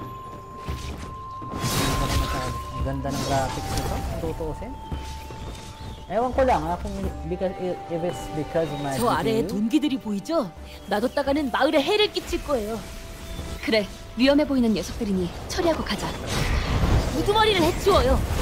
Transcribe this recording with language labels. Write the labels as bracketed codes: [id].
[tl] Ang ganda ng graphics nito. Ang tutuusin. Ewan ko lang, kung [en] if it's because of my GPU. [ko] So aray, 동기들이 보이죠? 놔뒀다가는 마을에 해를 끼칠 거예요. 그래, 위험해 보이는 녀석들이니 처리하고 가자. 우두머리를 해치워요.